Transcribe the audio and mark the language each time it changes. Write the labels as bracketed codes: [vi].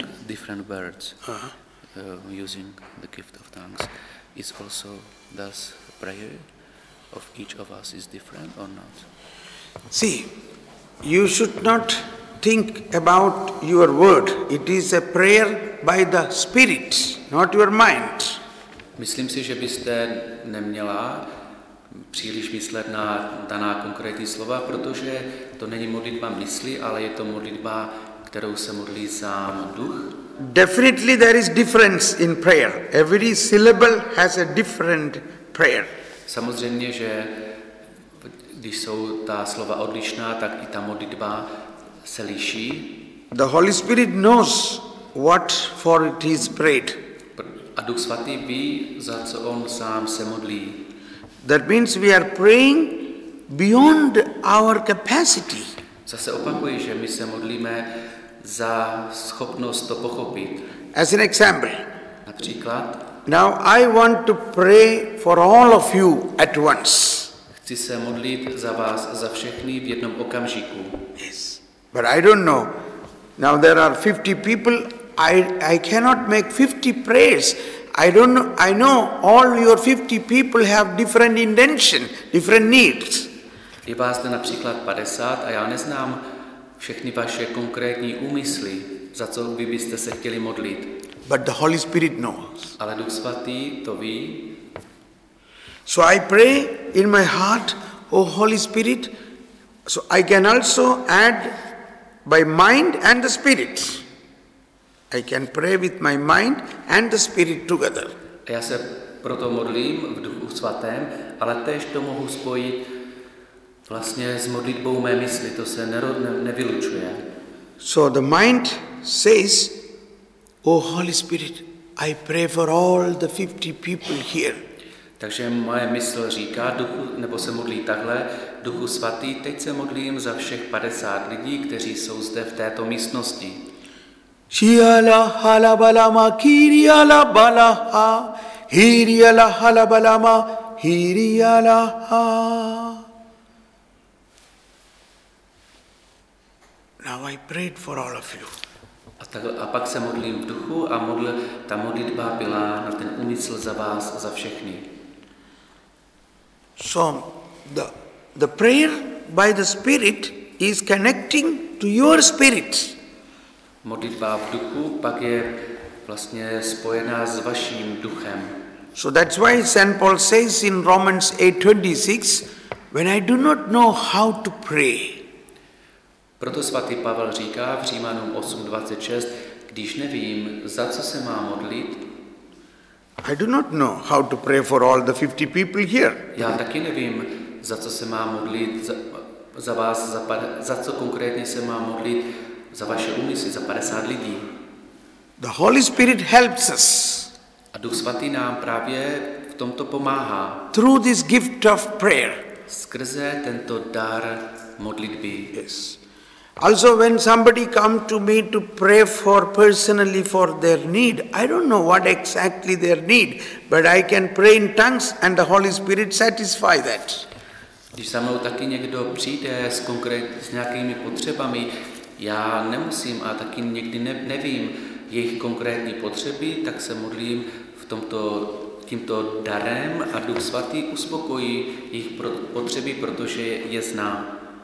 [en] Tongue, different words using the gift of tongues, is also thus prayer of each of us is different or not? See, you should not think about your word. It is a prayer by the Spirit, not your mind. [cs] Myslím si, že byste neměla příliš myslet na daná konkrétní slova, protože to není modlitba mysli, ale je to modlitba, kterou se modlí sám duch. [en] Definitely there is difference in prayer. Every syllable has a different prayer. [cs] Samozřejmě, že když jsou ta slova odlišná, tak i ta modlitba se liší. [en] The Holy Spirit knows what for it is prayed. [cs] A Duch Svatý ví, za co on sám se modlí. [en] That means we are praying beyond our capacity. [cs] Zase opakuji, že my se modlíme za schopnost to pochopit. [en] As an example. [cs] Například. [en] Now I want to pray for all of you at once. [cs] Chci se modlit za vás, za všechny v jednom okamžiku. [en] Yes. But I don't know. Now there are 50 people. I cannot make 50 prayers. I don't know, I know all your 50 people have different intention, different needs. [cs] Je vás zde například 50 a já neznám všechny vaše konkrétní úmysly, za co by byste se chtěli modlit. [en] But the Holy Spirit knows. [cs] Ale Duch Svatý to ví. [en] So I pray in my heart, O Holy Spirit, so I can also add by mind and the Spirit. I can pray with my mind and the spirit together. [cs] Já se proto modlím v Duchu Svatém, ale též to mohu spojit vlastně s modlitbou mé mysli, to se nevylučuje. [en] So the mind says, O Holy Spirit, I pray for all the 50 people here. [cs] Takže moje mysl říká, Duchu, nebo se modlí takhle, Duchu Svatý, teď se modlím za všech 50 lidí, kteří jsou zde v této místnosti. Shiala hala balama kiriala balaha hiriala hala balama hiriala ha. [en] Now I prayed for all of you. [cs] A pak se modlím v duchu a ta modlitba byla na ten úmysl za vás a za všechny. [en] So the prayer by the spirit is connecting to your spirit. [cs] Modlitba v duchu pak je vlastně spojená s vaším duchem. [en] So that's why St. Paul says in Romans 8:26, when I do not know how to pray. [cs] Proto svatý Pavel říká v Římanům 8:26, když nevím, za co se mám modlit. [en] I do not know how to pray for all the 50 people here. [cs] Já taky nevím, za co se mám modlit, za vás, za co konkrétně se mám modlit, za vaše úmysly, za 50 lidí. [en] The Holy Spirit helps us. [cs] A Duch svatý nám právě v tomto pomáhá. [en] Through this gift of prayer. [cs] Skrze tento dar modlitby. [en] Yes. Also when somebody come to me to pray for personally for their need, I don't know what exactly their need, but I can pray in tongues and the Holy Spirit satisfy that. [cs] Když za mnou taky někdo přijde s nějakými potřebami, já nemusím a taky nikdy nevím jejich konkrétní potřeby, tak se modlím v tímto darem a Duch svatý uspokojí jejich potřeby, protože je zná.